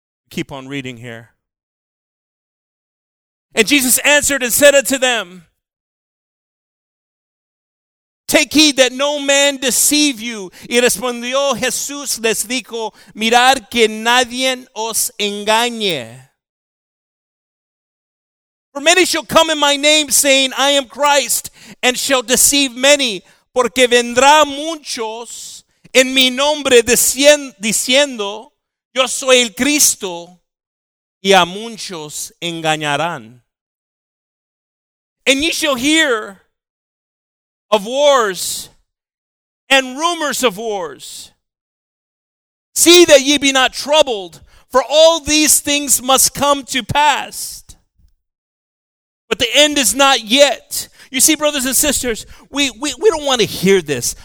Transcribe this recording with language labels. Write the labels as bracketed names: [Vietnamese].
[English] keep on reading here. And Jesus answered and said unto them, take heed that no man deceive you. [Spanish] Y respondió Jesús, les dijo, mirad que nadie os engañe. [English] For many shall come in my name, saying, I am Christ, and shall deceive many. [Spanish] Porque vendrá muchos en mi nombre diciendo, yo soy el Cristo, y a muchos engañarán. [English] And ye shall hear of wars and rumors of wars. See that ye be not troubled, for all these things must come to pass. But the end is not yet. You see, brothers and sisters, we don't want to hear this.